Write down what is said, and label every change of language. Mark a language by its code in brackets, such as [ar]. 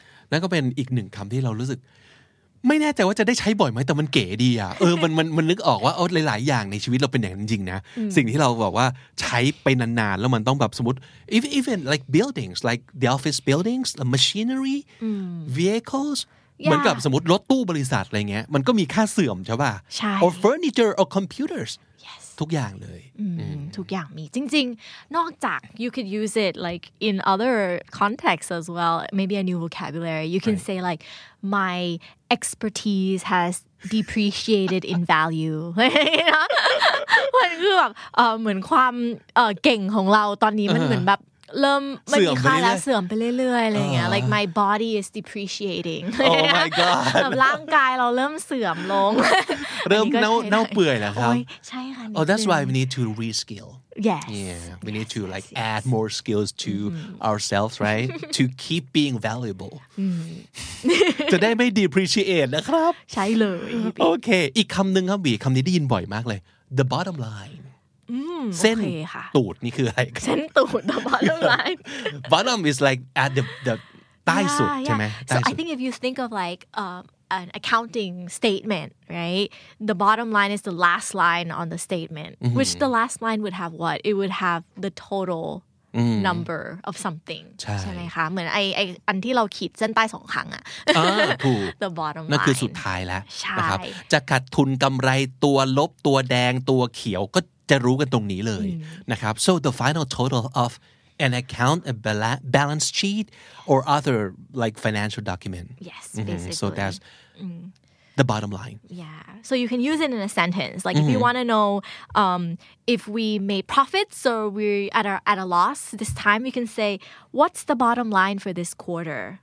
[th] นั่นก็เป็นอีกหนึ่งคำที่เรารู้สึกไม่แน่ใจว่าจะได้ใช้บ่อยไหมแต่มันเก๋ดีอ่ะเออมันนึกออกว่าหลายๆอย่างในชีวิตเราเป็นอย่างนั้นจริงนะสิ่งที่เราบอกว่าใช้ไปนานๆแล้วมันต้องแบบสมมติ [en] even like buildings like the office buildings the machinery vehicles [th] เหมือนกับสมมติรถตู้บริษัทอะไรเงี้ยมันก็มีค่าเสื่อมใช่ป่ะ ใช่ [en] or furniture or computers yes [th] ทุกอย่างเลย ทุกอย่างมีจริงๆนอกจาก [en] you could use it like in other contexts as well maybe a new vocabulary you can say like myExpertise has depreciated in value. [th] มันคือแบบเหมือนความเก่งของเราตอนนี้มันเหมือนแบบเริ่มมัน มี ค่ าแล้วเสื่อมไปเรื่อยๆอะไรเงี้ย [en] like my body is depreciating. Oh my god. [th] ร่างกายเราเริ่มเสื่อมลง เริ่มเน่าเปื่อยแล้วครับ ใช่ค่ะ [en] Oh that's why we need to reskill. Yes. Yeah. We need to like add more skills to ourselves, right? To keep being valuable. [th] จะได้ไม่ depreciate นะครับ ใช่เลย โอเคอีกคำหนึ่งครับบีคำนี้ได้ยินบ่อยมากเลย the bottom line เส้น ตูดนี่คืออะไร เส้นตูด the bottom line [en] bottom is like at the [th] ใต้สุดใช่ไหม [en] so I think if you think of like an accounting statement right the bottom line is the last line on the statement which the last line would have what it would have the totalnumber of something [th] ใช่ไ หมคะเหมือนไออันที่เราขีดเส้นใต้สองครั้งอ่ ะ ถูก [en] the bottom line [th] นั่นคือสุดท้ายแล้ว ใช่ครับ จะขาดทุนกำไรตัวลบตัวแดงตัวเขียวก็จะรู้กันตรงนี้เลยนะครับ [en] so the final total of an account a balance sheet or other like financial document yes basically so that's the bottom line yeah so you can use it in a sentence like if you want to know if we made profits or we're at a loss this time you can say what's the bottom line for this quarter